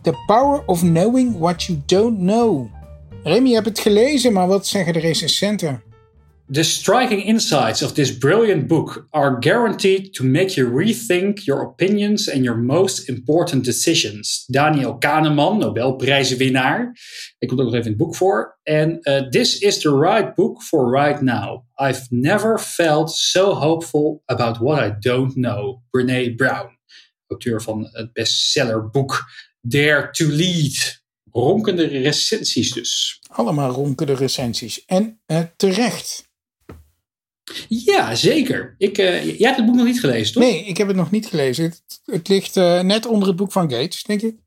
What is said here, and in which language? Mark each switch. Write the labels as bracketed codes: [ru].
[en] The Power of Knowing What You Don't Know. [nl] Remy, je hebt het gelezen, maar wat zeggen de recensenten? [en] The striking insights of this brilliant book are guaranteed to make you rethink your opinions and your most important decisions. [nl] Daniel Kahneman, Nobelprijswinnaar. Ik kom er nog even in het boek voor. [en] And this is the right book for right now. I've never felt so hopeful about what I don't know. [nl] Brené Brown, auteur van het bestsellerboek Dare to Lead. Ronkende recensies dus. Allemaal ronkende recensies. En terecht. Ja, zeker. Jij hebt het boek nog niet gelezen, toch? Nee, ik heb het nog niet gelezen. Het ligt net onder het boek van Gates, denk ik.